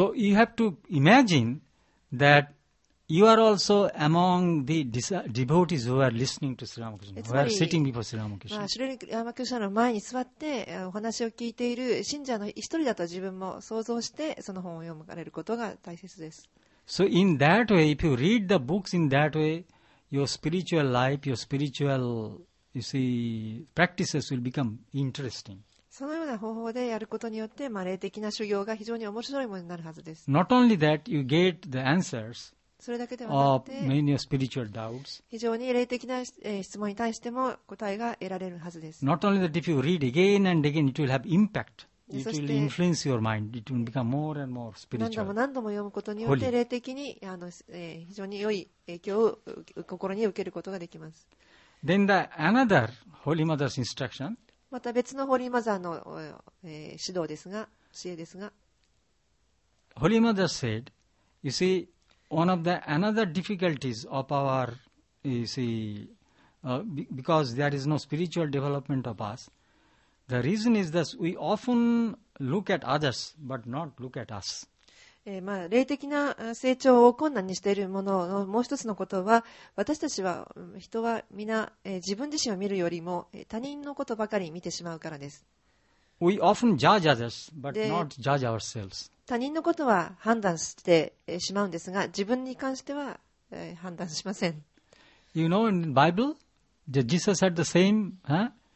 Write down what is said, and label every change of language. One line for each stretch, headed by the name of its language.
English: So you have to imagine that you are also among the devotees who are listening to Sri Ramakrishna, who are sitting before Sri Ramakrishna.
Japanese: シュリ・ラマクリシナの前に座ってお話を聞いている信者の一人だと自分も想像してその本を読まれることが大切です。
English: So in that way, if you read the books in that way, your spiritual life, your spiritual, you see, practices will become interesting.
Japanese: そのような方法でやることによって、まあ、霊的な修行が非常に面白いものになるはずです。
English: Not only that, you get the answers.
Japanese: それだけではなくて、
English: many spiritual doubts.
Japanese: 非常に霊的な質問に対しても答えが得られるはずです。
English: Not only that, if you read again and again, it will have impact. It will influence your mind. It will become more and more spiritual.
Japanese: 何度も何度も読むことによって霊的に非常に良い影響を心に受けることができます。
English: Then the another Holy Mother's instruction.
Japanese: また別のホーリーマザーの指導ですが、教えですが。
English: Holy Mother said, you see, one of the another difficulties of our, you see, because there is no spiritual development of us,The reason is that we often look at others, but not look at us.
Japanese: まあ、霊的な成長を困難にしているもののもう一つのことは、私たちは人は皆、自分自身を見るよりも他人のことばかり見てしまうからです。
English: We often judge others, but not judge ourselves.
Japanese: 他人のことは判断してしまうんですが、自分に関しては判断しません。
English: You know, in the Bible, Jesus had the same, huh?